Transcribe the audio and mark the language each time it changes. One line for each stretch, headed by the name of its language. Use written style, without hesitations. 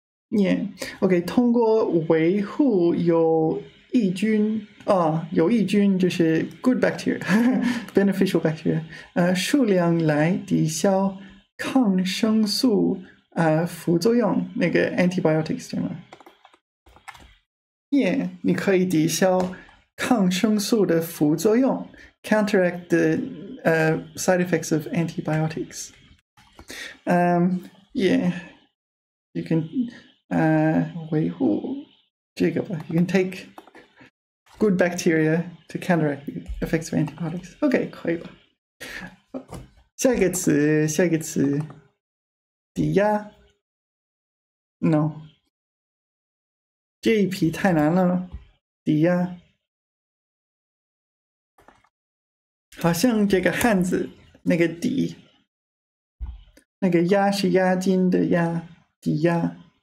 Chinese: 念、yeah. OK， 通过维护有益菌啊、哦，有益菌就是
English: good bacteria，
Chinese: 呵呵
English: beneficial bacteria，
Chinese: 数量来抵消抗生素副作用，那个 antibiotics 对吗？耶、yeah, ，你可以抵消抗生素的副作用 ，
English: counteract the side effects of antibiotics。 Yeah， you can
Chinese: 维护这个吧
English: ，you can take。 Good bacteria to counteract the effects of antibiotics.
Chinese: OK, 可以吧。下一个词，下一个词，抵押。 No. 这一批太难了，抵押。好像这个汉字，那个抵，那个押是押金的押，抵押。